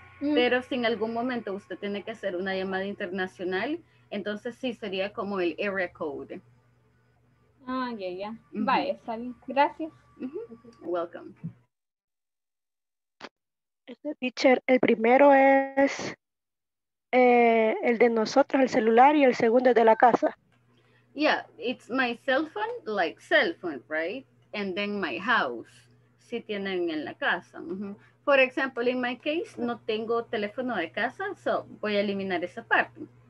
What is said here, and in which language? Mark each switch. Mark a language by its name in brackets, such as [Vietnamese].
[Spanish] Pero si en algún momento usted tiene que hacer una llamada internacional, entonces sí sería como el area code. [English] Ah, yeah, yeah. [Spanish] Vale, está bien. Gracias. [English] Welcome. [Spanish] Teacher, el primero es... el de nosotros, el celular, y el segundo es de la casa. [English] Yeah, it's my cell phone, like cell phone, right? And then my house, [Spanish] si tienen en la casa. [English] For example, in my case, [Spanish] no tengo teléfono de casa, so voy a eliminar esa parte.